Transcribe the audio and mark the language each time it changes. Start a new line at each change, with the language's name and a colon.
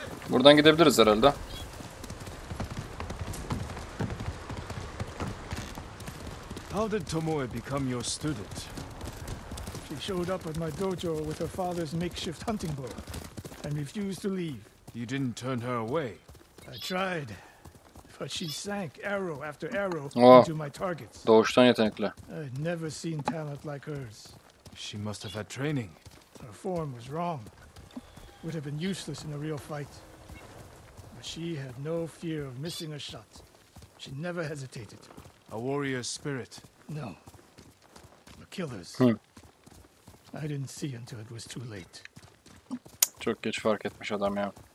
Turkish: Buradan gidebiliriz herhalde.
English: How did Tomoe become your student? She showed up at my dojo with her father's makeshift hunting bow and refused to leave. You didn't turn her away. I tried, but she sank arrow after arrow into my targets.
Turkish: Doğuştan yetenekli.
English: I'd never seen talent like hers. She must have had training. Her form was wrong. Would have been useless in a real fight. She had no fear of missing a shot. She never hesitated. A warrior's spirit. No. A killer's. I didn't see until it was too late.
Turkish: Çok geç fark etmiş adam ya.